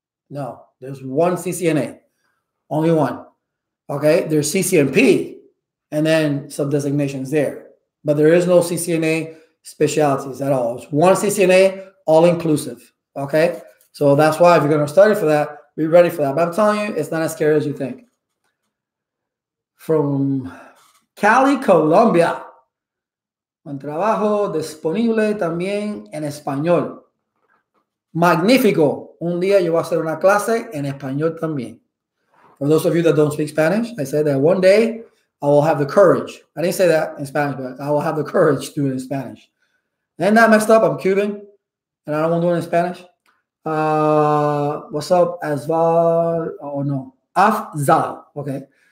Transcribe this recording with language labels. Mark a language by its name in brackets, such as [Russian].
[English] No, there's one CCNA, only one. Okay, there's CCNP and then some designations there. But there is no CCNA specialities at all. It's one CCNA, all inclusive. Okay, so that's why if you're going to study for that, be ready for that. But I'm telling you, it's not as scary as you think. From Cali, Colombia. [Spanish] Un trabajo disponible también en español. Magnífico. Un día yo voy a hacer una clase en español también. [English] For those of you that don't speak Spanish, I said that one day I will have the courage. I didn't say that in Spanish, but I will have the courage to do it in Spanish. And that messed up. I'm Cuban, and I don't want to do it in Spanish. What's up, Asval? Oh, no. Afzal. Okay.